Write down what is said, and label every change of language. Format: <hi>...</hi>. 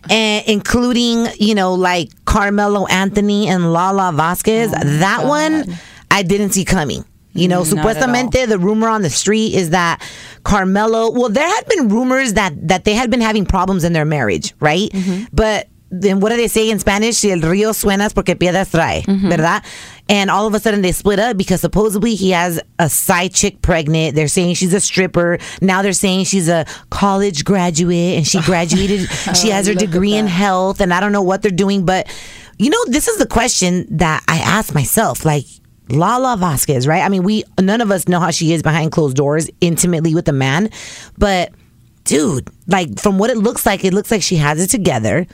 <en>And including, you know, like Carmelo Anthony and Lala Vasquez. Oh, that God. One, I didn't see coming. You know,</en> <es>supuestamente,</es> <en>the rumor on the street is that Carmelo, well, there had been rumors that they had been having problems in their marriage, right? Mm-hmm. But then what do they say in Spanish?</en> <es>Si el río suenas porque piedras trae, ¿verdad?</es> <en>And all of a sudden they split up because supposedly he has a side chick pregnant. They're saying she's a stripper. Now they're saying she's a college graduate and she graduated. She has her degree in health and I don't know what they're doing. But, you know, this is the question that I ask myself, like, Lala Vasquez, right? I mean, none of us know how she is behind closed doors intimately with a man, but dude, like from what it looks like she has it together.</en>